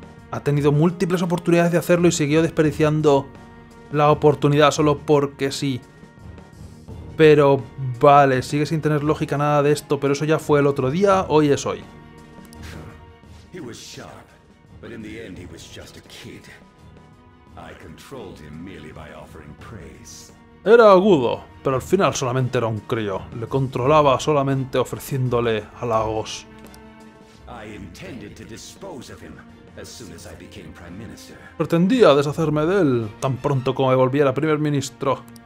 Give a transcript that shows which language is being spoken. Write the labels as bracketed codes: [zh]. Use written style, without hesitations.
[es] Ha tenido múltiples oportunidades de hacerlo y siguió desperdiciando la oportunidad solo porque sí. Pero vale, sigue sin tener lógica nada de esto, pero eso ya fue el otro día, hoy es hoy. [en] He was sharp, but in the end he was just a kid. I controlled him merely by offering praise. [es] Era agudo, pero al final solamente era un crío. Le controlaba solamente ofreciéndole halagos. [en] I intended to dispose of him as soon as I became prime minister. [es] Pretendía deshacerme de él tan pronto como me volviera primer ministro.